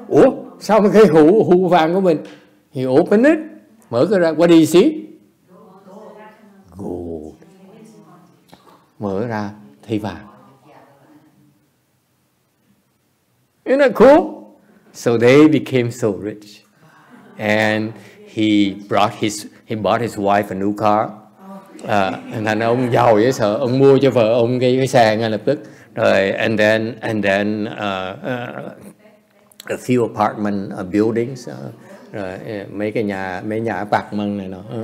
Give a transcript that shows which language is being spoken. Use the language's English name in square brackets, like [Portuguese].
[Vietnamese] Ủa, sao mà cái hũ vàng của mình? [English] He opened it, [Vietnamese] mở cửa ra, [English] what do you see? Gold. [Vietnamese] Mở ra thì vàng. [English] Isn't that cool? So they became so rich, and he bought his wife a new car. And then [Vietnamese] ông giàu dễ sợ, ông mua cho vợ ông cái xe ngay lập tức. [English] And then a few apartment buildings, [Vietnamese] mấy cái nhà, mấy nhà bạc măng này nọ.